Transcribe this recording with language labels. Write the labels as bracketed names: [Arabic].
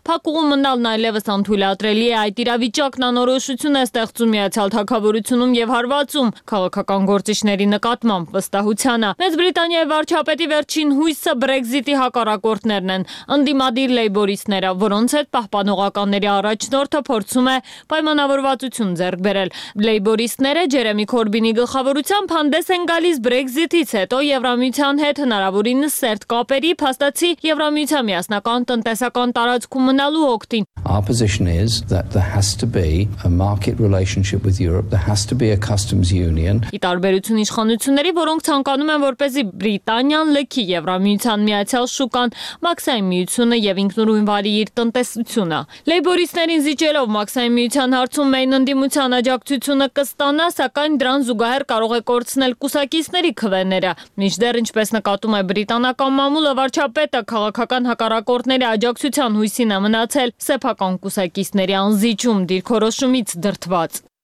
[Armenian] «Փակուղու մնալն այլևս անթույլատրելի է, այդ իրավիճակն անորոշություն է ստեղծում Միացյալ Թագավորությունում և հարվածում քաղաքական գործիչների նկատմամբ վստահությանը»։ Մեծ Բրիտանիայի վարչապետի վերջին հույսը Brexit-ի հակառակորդներն են, ընդդիմադիր Labour-իստները, որոնց հետ պահպանողականների առաջնորդը փորձում է պայմանավորվածություն ձեռք բերել։ Labour-իստները Ջերեմի Քորբինի գլխավորությամբ հանդես են գալիս Brexit-ից հետո Եվրամիության հետ հնարավորինս սերտ կապերի, փաստացի Եվրամիության միասնական տնտեսական տարածքում մնալու օգտին։ [English] Our position is that there has to be a market relationship with Europe. There has to be a customs union. [Armenian] Ի տարբերություն իշխանությունների, որոնք ցանկանում են, որպեսզի Բրիտանիան լքի Եվրամիության միացյալ շուկան, մաքսային միությունը եւ ինքնուրույն վարի իր տնտեսությունը։ Լեյբորիստերին զիջելով մաքսային միության հարցում մեն ընդդիմության աջակցությունը կստանա, սակայն դրան զուգահեռ կարող է կորցնել կուսակիցների քվեները։ Մինչդեռ, ինչպես նկատում է բրիտանական մամուլը, վարչապետը քաղաքական հակառակորդների աջակցության հույսին է մնացել սեփական կուսակիցների անզիջում դիրքորոշումից դրդված։